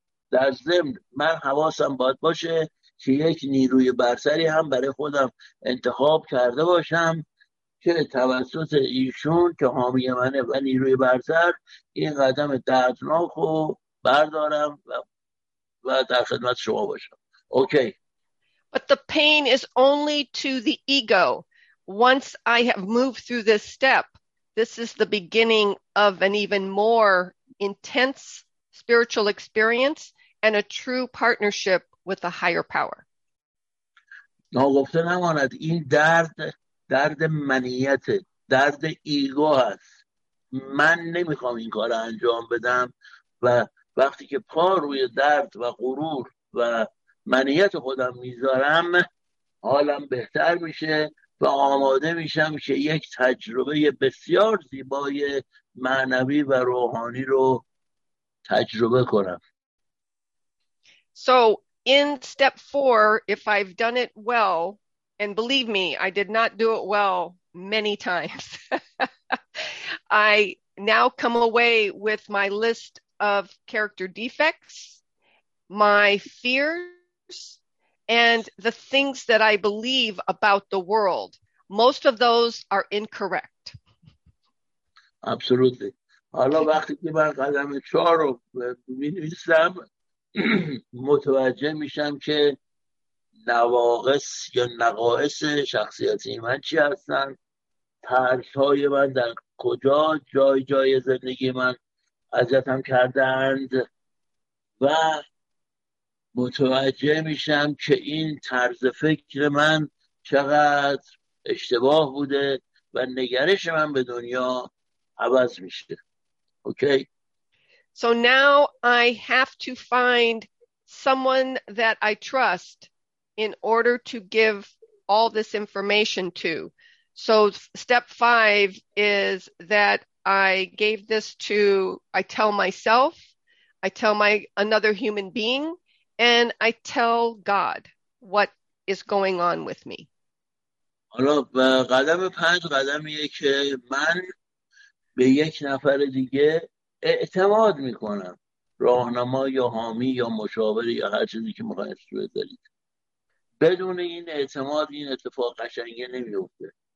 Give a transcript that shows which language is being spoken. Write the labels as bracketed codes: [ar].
[fa] در ضمن من حواسم باید باشه که یک نیروی برتری هم برای خودم انتخاب کرده باشم که توسط ایشون که حامی منه و نیروی برتر این قدم دردناک رو بردارم و در خدمت شما باشم. اوکی. [en] But the pain is only to the ego. Once I have moved through this step, this is the beginning of an even more intense spiritual experience and a true partnership with a higher power. [fa] ناگفته نماند این درد، درد منیت، درد ایگو هست. من نمیخوام این کار انجام بدم و وقتی که پا روی درد و غرور و منیت خودم میذارم حالم بهتر میشه و آماده میشم که یک تجربه بسیار زیبای معنوی و روحانی رو تجربه کنم. [en] So in step four, if I've done it well, and believe me, I did not do it well many times. I now come away with my list of character defects, my fears, and the things that I believe about the world. Most of those are incorrect. Absolutely. [fa] حالا وقتی که من قدم چهار رو می‌نویسم متوجه میشم که نواقص یا نقایص شخصیتی من چی هستن، ترس‌های من در کجا جای جای زندگی من اذیتم کردند و متوجه میشم که این طرز فکر من چقدر اشتباه بوده و نگرش من به دنیا عوض میشه. اوکی. [en] So now I have to find someone that I trust in order to give all this information to. So step five is that I gave this to, I tell myself, I tell my another human being, and I tell God what is going on with me. [fa] حالا قدم پنج قدمیه که من به یک نفر دیگه اعتماد میکنم راهنما یا حامی یا مشاور یا هر چیزی که میخواید اسم بذارید. بدون این اعتماد این اتفاق قشنگه نمیفته.